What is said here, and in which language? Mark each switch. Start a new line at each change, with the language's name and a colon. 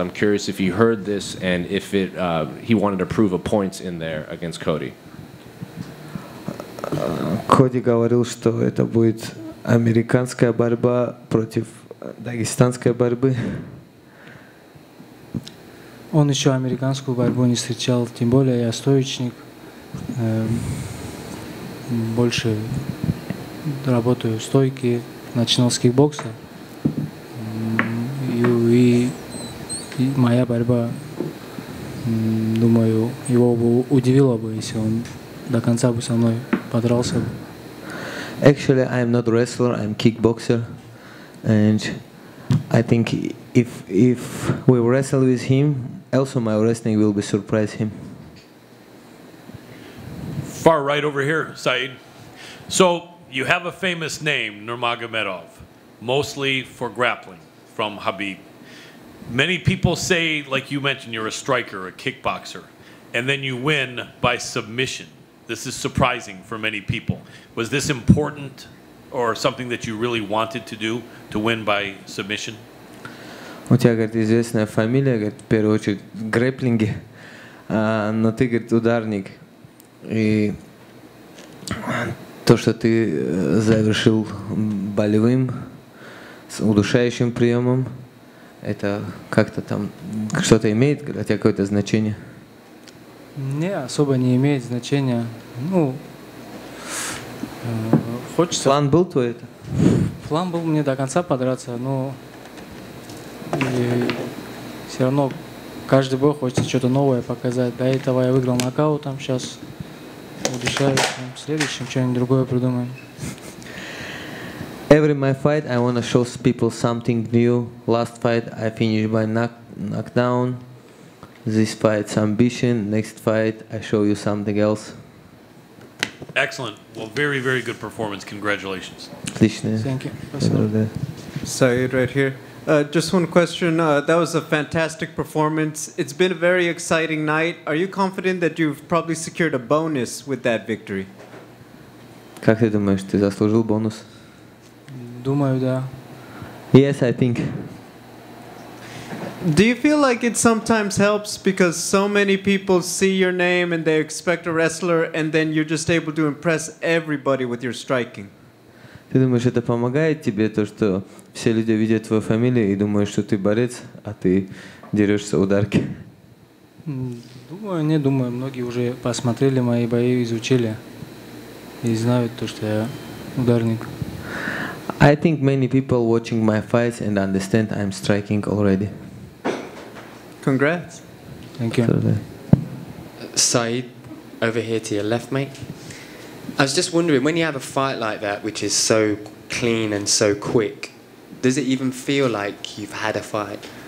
English: I'm curious if he heard this and if it he wanted to prove a point in there against Cody.
Russian: Cody говорил, что это будет американская борьба против дагестанской борьбы. Он еще американскую борьбу не встречал, тем более я стоечник, больше работаю в стойке, начинал с кикбокса, и моя борьба, думаю, его бы удивило бы, если он до конца бы со мной подрался.
English: Actually, I'm not wrestler, I'm kickboxer, and I think if we wrestle with him, also, my wrestling will be surprise him. Far right over here, Saeed. So, you have a famous name, Nurmagomedov, mostly for grappling from Habib. Many people say, like you mentioned, you're a striker, a kickboxer, and then you win by submission. This is surprising for many people. Was this important or something that you really wanted to do, to win by submission?
Russian: У тебя, говорит, известная фамилия, говорит, в первую очередь, грэплинги, но ты, говорит, ударник. И то, что ты завершил болевым, с удушающим приемом, это как-то там что-то имеет, говорит, у тебя какое-то значение? Не, особо не имеет значения. Ну, Хочется. План был твой это? План был мне до конца подраться, но и все равно каждый бой хочется что-то новое показать. До этого я выиграл нокаутом, сейчас удушаюсь, в следующем что-нибудь другое придумаем.
English: Every my fight I want to show people something new. Last fight I finished by knockdown. This fight's ambition. Next fight I show you something else. Excellent. Well, very, very good performance. Congratulations. Thank you. Saeed right here. Just one question. That was a fantastic performance. It's been a very exciting night. Are you confident that you've probably secured a bonus with that victory?
Russian: Как ты думаешь, ты заслужил бонус? Думаю, да.
English: Yes, I think. Do you feel like it sometimes helps because so many people see your name and they expect a wrestler and then you're just able to impress everybody with your striking?
Russian: Ты думаешь, это помогает тебе, то, что все люди видят твою фамилию и думают, что ты борец, а ты дерешься ударки? Думаю, не думаю. Многие уже посмотрели мои бои, изучили и знают то, что я ударник.
English: I think many people watching my fights and understand I'm striking already. Congrats. Thank you. Saeed, over here to your left, mate. I was just wondering, when you have a fight like that, which is so clean and so quick, does it even feel like you've had a fight?